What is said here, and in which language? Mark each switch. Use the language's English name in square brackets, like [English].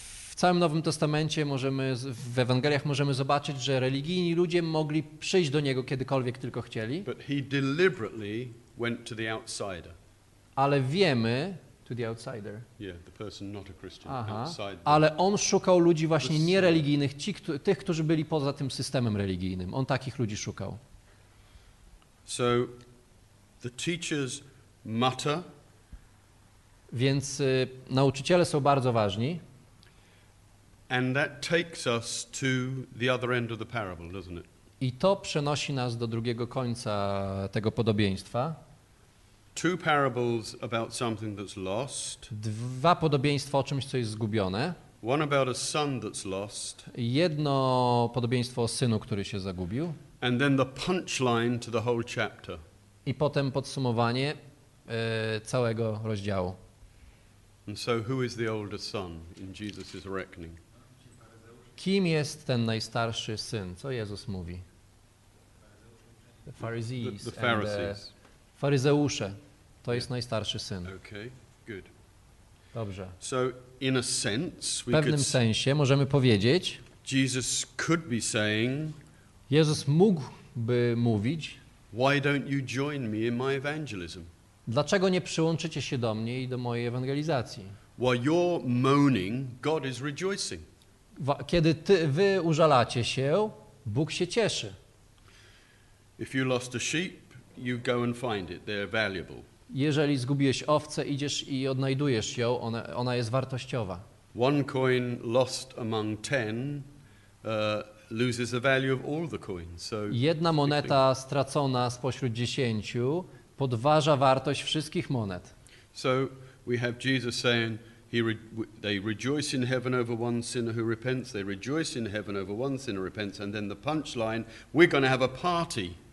[Polish] W całym Nowym Testamencie możemy w Ewangeliach możemy zobaczyć, że religijni ludzie mogli przyjść do niego kiedykolwiek tylko chcieli. [English] But he deliberately went to the outsider. [Polish] Ale wiemy, [English] to the outsider. Yeah, the person not a Christian. Aha. Outside. [Polish] Ale on szukał ludzi właśnie niereligijnych, tych, którzy byli poza tym systemem religijnym. On takich ludzi szukał. [English] So the teachers matter. [Polish] Więc nauczyciele są bardzo ważni. [English] And that takes us to the other end of the parable, doesn't it? [Polish] I to przenosi nas do drugiego końca tego podobieństwa. [English] Two parables about something that's lost. [Polish] Dwa podobieństwa o czymś, co jest zgubione. [English] One about a son that's lost. [Polish] Jedno podobieństwo o synu, który się zagubił. [English] And then the punchline to the whole chapter. [Polish] I potem podsumowanie całego rozdziału. [English] And so who is the older son in Jesus's reckoning? [Polish] Kim jest ten najstarszy syn? Co Jezus mówi? The Pharisees. [English] The Pharisees. [Polish] Faryzeusze, to jest najstarszy syn. [English] Okay, good. [Polish] Dobrze. [English] So in a sense, [Polish] w pewnym sensie możemy powiedzieć, [English] Jesus could be saying, [Polish] Jezus mógłby mówić, [English] why don't you join me in my evangelism? [Polish] Dlaczego nie przyłączycie się do mnie i do mojej ewangelizacji? [English] While you're moaning, God is rejoicing. [Polish] Kiedy wy użalacie się, Bóg się cieszy. [English] If you lost a sheep, you go and find it. They're valuable. [Polish] Jeżeli zgubiłeś owcę, idziesz i odnajdujesz ją, ona jest wartościowa. [English] One coin lost among ten loses the value of all the coins. So [Polish] jedna moneta stracona spośród dziesięciu podważa wartość wszystkich monet. [English] So we have Jesus saying they rejoice in heaven over one sinner who repents, they rejoice in heaven over one sinner who repents, and then the punchline, we're going to have a party.